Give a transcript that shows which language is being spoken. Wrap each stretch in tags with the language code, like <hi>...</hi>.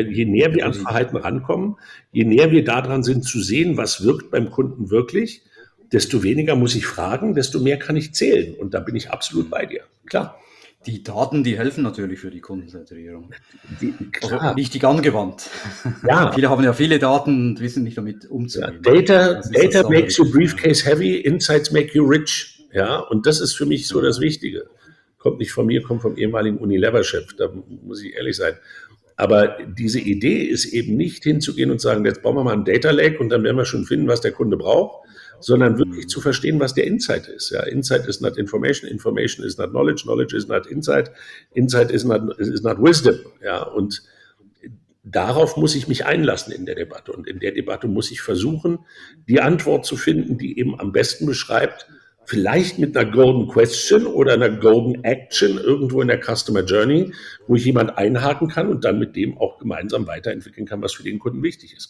<de>Je näher wir an Verhalten rankommen, je näher wir daran sind zu sehen, was wirkt beim Kunden wirklich, desto weniger muss ich fragen, desto mehr kann ich zählen. Und da bin ich absolut bei dir. Klar. Die Daten, die helfen natürlich für die Kundenzentrierung. Also richtig angewandt. Ja. Viele haben ja viele Daten und wissen nicht, damit umzugehen.</de> <en>Ja, Data makes your briefcase heavy, insights make you rich.</en> <de>Ja, und das ist für mich so das Wichtige. Kommt nicht von mir, kommt vom ehemaligen Unilever-Chef, da muss ich ehrlich sein. Aber diese Idee ist eben nicht hinzugehen und sagen, jetzt bauen wir mal einen Data Lake und dann werden wir schon finden, was der Kunde braucht, sondern wirklich zu verstehen, was der Insight ist.</de> <en>Ja, Insight is not information, information is not knowledge, knowledge is not insight, insight is not wisdom.</en> <de>Ja, und darauf muss ich mich einlassen in der Debatte. Und in der Debatte muss ich versuchen, die Antwort zu finden, die eben am besten beschreibt, vielleicht mit einer Golden Question oder einer Golden Action irgendwo in der Customer Journey, wo ich jemanden einhaken kann und dann mit dem auch gemeinsam weiterentwickeln kann, was für den Kunden wichtig ist.</de>